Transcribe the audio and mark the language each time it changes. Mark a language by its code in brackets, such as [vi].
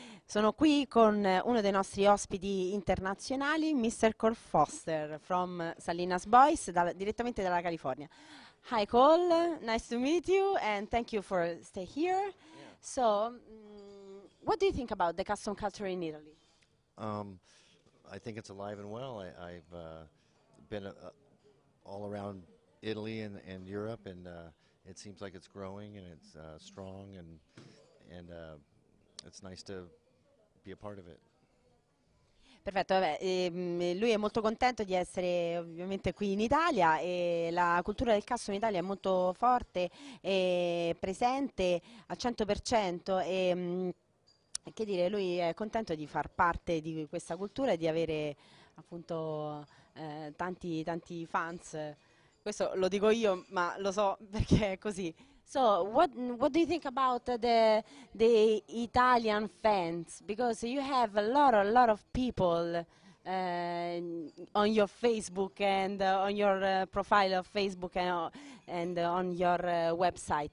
[it] Sono qui con uno dei nostri ospiti internazionali, Mr. Cole Foster from Salinas Boys, direttamente dalla California. [en] Hi Cole, nice to meet you and thank you for stay here. Yeah. So, what do you think about the custom culture in Italy? I think it's alive and well. I've been all around Italy and Europe and it seems like it's growing and it's strong and it's nice to be a part of it. [it] Perfetto, vabbè, lui è molto contento di essere ovviamente qui in Italia e la cultura del custom in Italia è molto forte e presente al 100% e che dire, lui è contento di far parte di questa cultura e di avere appunto tanti fans. Questo lo dico io, ma lo so perché è così. [en] So what do you think about the Italian fans? Because you have a lot of people on your Facebook and on your profile of Facebook and on your website.